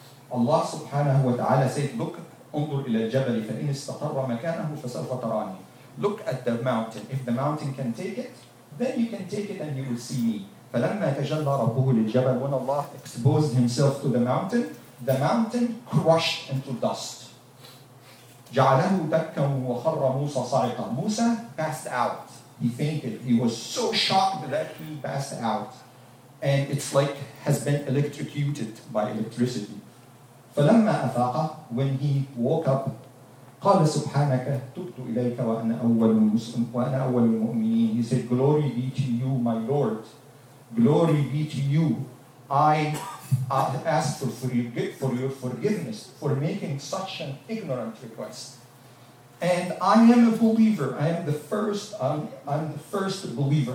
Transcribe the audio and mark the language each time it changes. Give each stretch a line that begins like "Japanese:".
English: Allah subhanahu wa ta'ala said, look,
Arabic: انظر إلى الجبل فإن استقر مكانه فسوف تراني.
English: Look at the mountain. If the mountain can take it, then you can take it and you will see me.
Arabic: فَلَمَّا تَجَلَّى رَبُّهُ لِلْجَبَلِ.
English: When Allah exposed himself to the mountain crushed into dust.
Arabic: جَعَلَهُ دَكَّا وَخَرَّ مُوسَى صَعْقًا.
English: Musa passed out. He fainted. He was so shocked that he passed out. And it's like has been electrocuted by electricity.
Arabic: فَلَمَّا أَفَاقَ.
English: When he woke up,
Arabic: قَالَ سُبْحَانَكَ تُبْتُ إِلَيْكَ وَأَنَا أَوَّلُ الْمُسْلِمِينَ وَأَنَا أَوَّلُ الْمُؤْمِنِينَ.
English: He said, glory be to you, my Lord. Glory be to you. I ask for your forgiveness for making such an ignorant request. And I am a believer. I am the first. I'm the first believer.